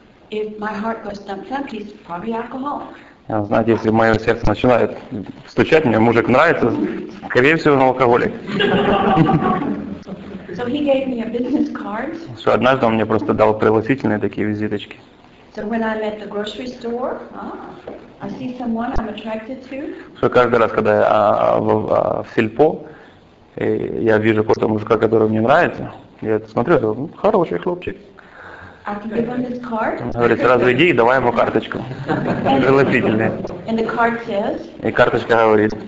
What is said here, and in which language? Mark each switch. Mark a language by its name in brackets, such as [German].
[English] If my heart goes thump-thump, he's probably alcoholic. [Russian] Я знаю, если мое сердце начинает стучать, мне мужик нравится, скорее всего, он алкоголик. [English] So he gave me a business card. [Russian] Что однажды он мне просто дал пригласительные такие визиточки. [English] So when I'm at the grocery store, I see someone I'm attracted to. [Russian] Что каждый раз, когда я в сельпо, и я вижу какого-то мужика, который мне нравится, я смотрю, я говорю, хороший хлопчик. [English] I can give him his card. [Russian] Он говорит, сразу иди и давай ему карточку. Пригласительные. [English] And the card says. [Russian] И карточка говорит.